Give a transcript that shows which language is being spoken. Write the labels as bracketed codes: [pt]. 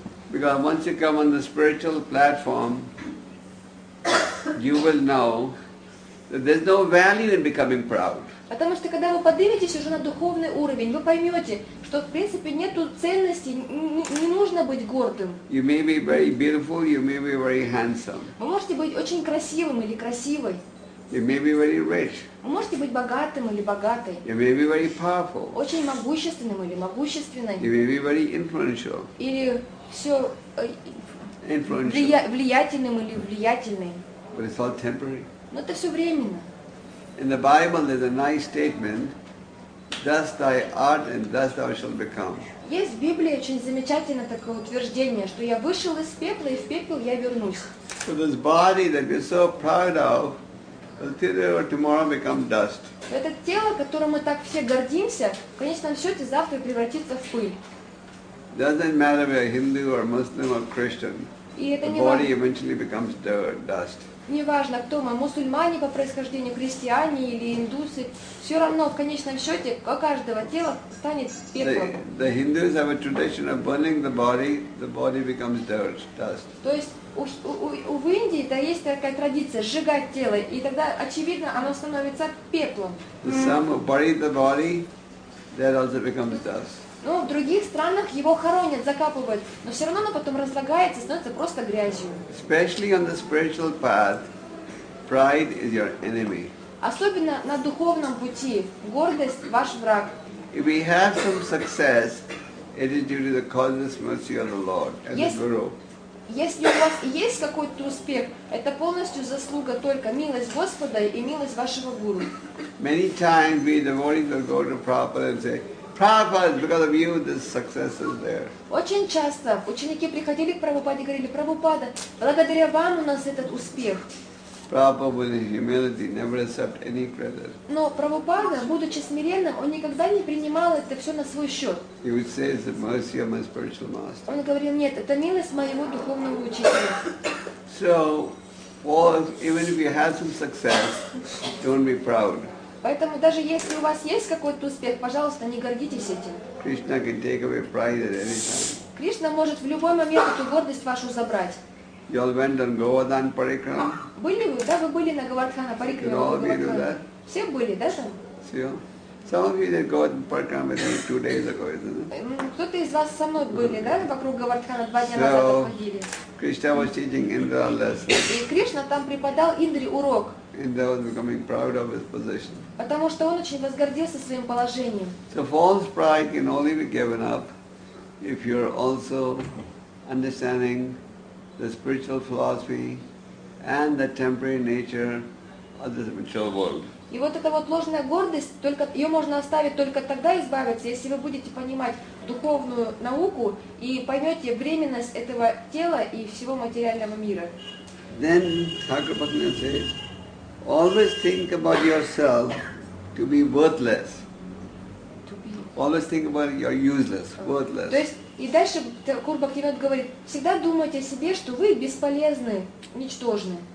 [en] Because once you come on the spiritual platform, you will know that there's no value in becoming proud. [ru] Потому что когда вы подниметесь уже на духовный уровень, вы поймете, что в принципе нету ценности, не нужно быть гордым. [en] You may be very beautiful, you may be very handsome. [ru] Вы можете быть очень красивым или красивой. [en] You may be very rich. [ru] Вы можете быть богатым или богатой. [en] You may be very powerful. [ru] Очень могущественным или могущественной. [en] You may be very influential. [ru] Или все [en] influential. [ru] Влиятельным или влиятельной. [en] But it's all temporary. [ru] Но это все временно. [en] In the Bible there's a nice statement, thus thy art and thus thou shalt become. [ru] Есть в Библии очень замечательно такое утверждение, что я вышел из пепла и в пепел я вернусь. [en] So this body that you're so proud of will today or tomorrow become dust. [ru] Это тело, которым мы так все гордимся, в конечном счете завтра превратится в пыль. [en] Doesn't matter if you're Hindu or Muslim or Christian, the body eventually becomes dust. [ru] Неважно, кто мы, мусульмане по происхождению, христиане или индусы, все равно в конечном счете у каждого тела станет пеплом. [en] The Hindus have a tradition of burning the body becomes dirt, dust. [ru] То есть в Индии это есть такая традиция сжигать тело, и тогда очевидно, оно становится пеплом. [en] The some who bury the body, that also becomes dust. [ru] Ну, в других странах его хоронят, закапывают, но все равно оно потом разлагается и становится просто грязью. [en] Especially on the spiritual path, pride is your enemy. [ru] Особенно на духовном пути гордость – ваш враг. [en] If we have some success, it is due to the causeless mercy of the Lord and the Guru. [ru] Если у вас есть какой-то успех, это полностью заслуга только милость Господа и милость вашего Гуру. [en] Many times we devotees will go to Prabhupada and say, Prabhupada, because of you, this success is there. [ru] Очень часто ученики приходили к Прабхупаде и говорили, Прабхупада, благодаря вам у нас этот успех. [en] Prabhupada, with his humility, never accepted any credit. [ru] Но Прабхупада, будучи смиренным, он никогда не принимал это все на свой счет. [en] He would say, it's the mercy of my spiritual master. [ru] Он говорил, нет, это милость моего духовного учителя. [en] So, well, even if you have some success, don't be proud. [ru] Поэтому даже если у вас есть какой-то успех, пожалуйста, не гордитесь этим. [en] Krishna can take away pride at any time. [ru] Кришна может в любой момент эту гордость вашу забрать. [en] You all went on Govardhan Parikrama? [ru] Были вы? Да, вы были на Говардхана Парикрама. [en] You all be do that? [ru] Все были, да, там? Все. [en] Some of you did Govardhan Parikrama with me 2 days ago, isn't it? [ru] Кто-то из вас со мной были, да, вокруг Говардхана 2 дня назад уходили. [en] So, Krishna was teaching Indra a lesson. [ru] И Кришна там преподал Индре урок. [en] Indra was becoming proud of his position. [ru] Потому что он очень возгордился своим положением. [en] So false pride can only be given up if you're also understanding the spiritual philosophy and the temporary nature of this material world. [ru] И вот эта вот ложная гордость, только ее можно оставить только тогда избавиться, если вы будете понимать духовную науку и поймете временность этого тела и всего материального мира. [en] Then Thakur Bhaktivinoda says, always think about yourself to be worthless. Always think about your useless, worthless. [ru] То есть, и дальше Thakur Bhaktivinoda говорит, всегда думайте о себе, что вы бесполезны, ничтожны.